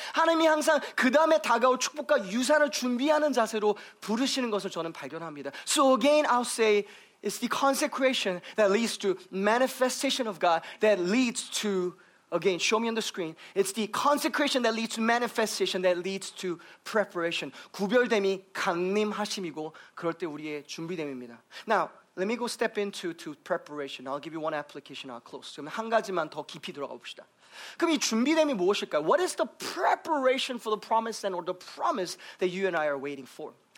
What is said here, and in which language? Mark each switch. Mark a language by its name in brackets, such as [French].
[Korean] 하나님이 항상 그 다음에 다가올 축복과 유산을 준비하는 자세로 부르시는 것을 저는 발견합니다. [English] So again, I'll say, it's the consecration that leads to manifestation of God, that leads to, again, show me on the screen. It's the consecration that leads to manifestation, that leads to preparation. [Korean] 구별됨이 강림하심이고, 그럴 때 우리의 준비됨입니다. [English] Now, let me go step into to preparation. I'll give you one application, I'll close. [Korean] 그럼 한 가지만 더 깊이 들어가 봅시다. 그럼 이 준비됨이 무엇일까요? [English] What is the preparation for the promise then, or the promise that you and I are waiting for?